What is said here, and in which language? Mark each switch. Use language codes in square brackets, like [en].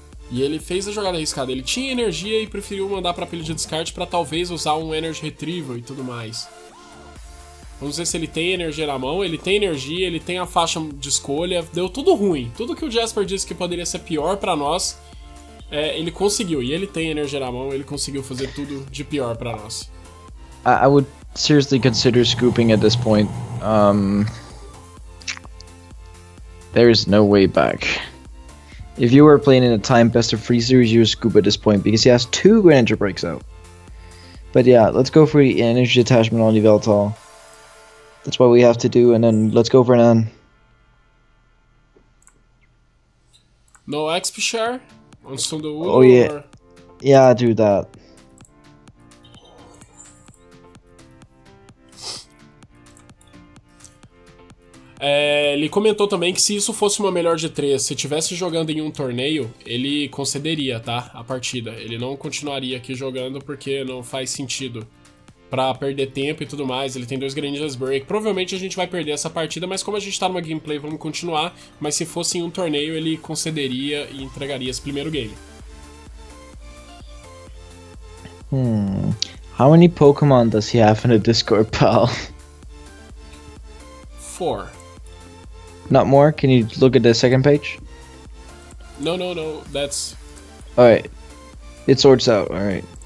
[pt] E ele fez a jogada arriscada. Ele tinha energia e preferiu mandar pra pilha de descarte pra talvez usar um Energy Retrieval e tudo mais. Vamos ver se ele tem energia na mão. Ele tem energia, ele tem a faixa de escolha. Deu tudo ruim. Tudo que o Jasper disse que poderia ser pior pra nós, é, ele conseguiu. E ele tem energia na mão, ele conseguiu fazer tudo de pior pra nós. [en] I would seriously consider scooping at this point. There is no way back. If you were playing in a time best of three series, you would scoop at this point because he has two Greninja breaks out. But yeah, let's go for the energy detachment on Yveltal. That's what we have to do, and then let's go for an N. No XP share on Sunday. Oh yeah, yeah, do that. [pt] É, ele comentou também que se isso fosse uma melhor de 3, se estivesse jogando em um torneio, ele concederia, tá, a partida. Ele não continuaria aqui jogando porque não faz sentido pra perder tempo e tudo mais. Ele tem dois Greninja's Break. Provavelmente a gente vai perder essa partida, mas como a gente tá numa gameplay, vamos continuar. Mas se fosse em um torneio, ele concederia e entregaria esse primeiro game. [en] How many Pokémon does he have in a Discord, pal? 4. Not more? Can you look at the second page? No, that's... Alright. It sorts out, alright.